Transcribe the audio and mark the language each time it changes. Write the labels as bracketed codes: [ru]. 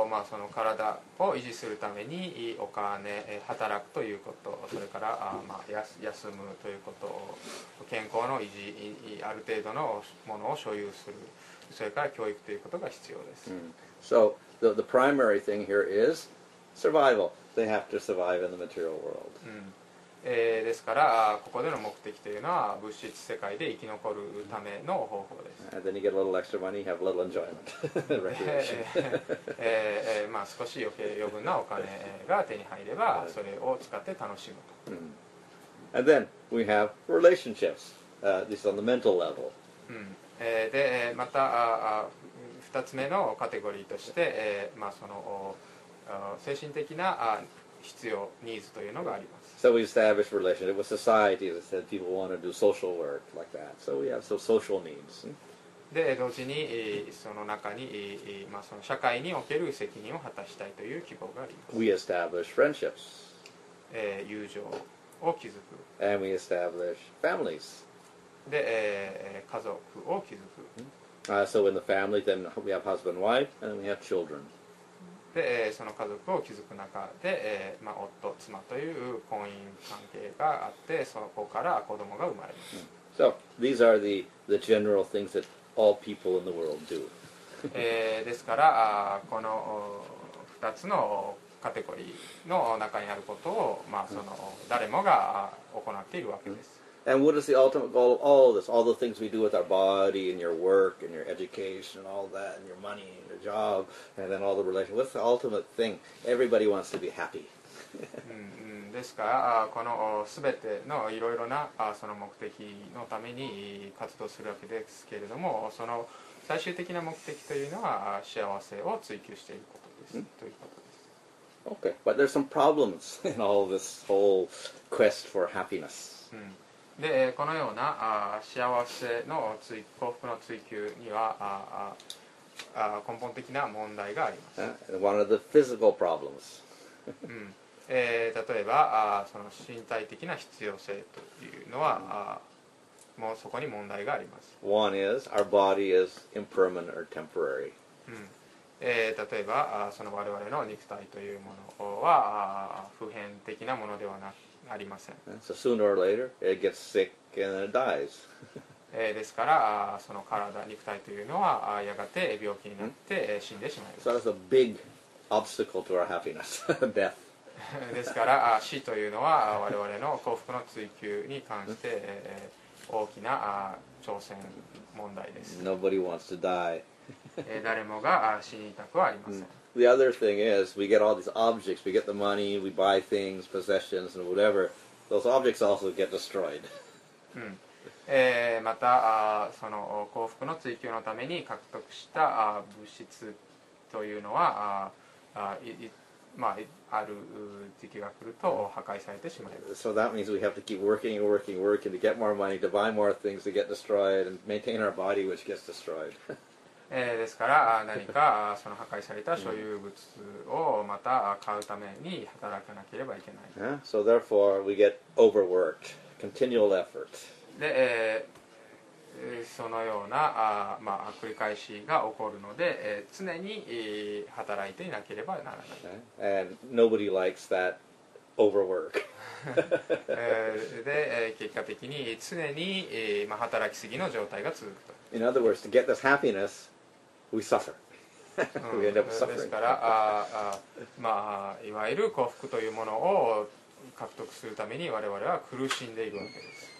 [ja] その体を維持するためにお金、働くということ、それから休むということ、健康の維持、ある程度のものを所有する、それから教育ということが必要です。 [en] So the primary thing here is survival. They have to survive in the material world. [ja] ですから、ここでの目的というのは物質世界で生き残るための方法です。 [en] And then you get a little extra money, have a little enjoyment. [ja] まあ少し余分なお金が手に入れば、それを使って楽しむと。 [en] And then we have relationships. This is on the mental level. [ja] で、また、二つ目のカテゴリーとして、その精神的な必要、ニーズというのがあります。 [en] So we establish relationship with society that said people want to do social work like that. So we have some social needs. [ja] で、同時にその中に、その社会における責任を果たしたいという希望があります。 [en] We establish friendships. [ja] 友情を築く。 [en] And we establish families. [ja] で、家族を築く。 [en] So in the family, then we have husband, wife, and then we have children. [ja] で、その家族を築く中で、夫、妻という婚姻関係があって、そこから子供が生まれます。 [en] So these are the general things that all people in the world do. [ja] ですから、この2つのカテゴリーの中にあることを、誰もが行っているわけです。 [en] And what is the ultimate goal of all this? All the things we do with our body and your work and your education and all that and your money and your job and then all the relations. What's the ultimate thing? Everybody wants to be happy. [ja] ですから、この全てのいろいろなその目的のために活動するわけですけれども、その最終的な目的というのは幸せを追求していることです。ということです。 [en] Okay, but there's some problems in all this whole quest for happiness. [ja] でこのような幸せの幸福の追求には根本的な問題があります。 [en] One of the physical problems. [ja] 例えばその身体的な必要性というのは、もうそこに問題があります。 [en] One is our body is impermanent or temporary. [ja] 例えばその我々の肉体というものは普遍的なものではなくありません。 [en] So sooner or later it gets sick and it dies. [ja] ですからその体肉体というのはやがて病気になって死んでしまいます。 [en] So that's a big obstacle to our happiness, death. [ja] ですから死というのは我々の幸福の追求に関して大きな挑戦問題です。 [en] Nobody wants to die. [ja] 誰もが死にたくはありません。 [en] The other thing is, we get all these objects. We get the money, we buy things, possessions, and whatever. Those objects also get destroyed. [ja] また、その幸福の追求のために獲得した物質というのは、まあ、ある時期が来ると破壊されてしまいます。 [en] So that means we have to keep working and working and working to get more money, to buy more things to get destroyed, and maintain our body which gets destroyed. [ja] ですから何かその破壊された所有物をまた買うために働かなければいけない。 [en] So therefore we get overworked, continual effort. [ja] で、そのような、まあ、繰り返しが起こるので、常に働いていなければならない。 [en] Okay. And nobody likes that overwork. [ja] で、結果的に常に、まあ、働きすぎの状態が続くと。 [en] In other words, to get this happiness,We suffer. We end up suffering. [ja] ですから、まあ、いわゆる幸福というものを獲得するために我々は苦しんでいるわけです。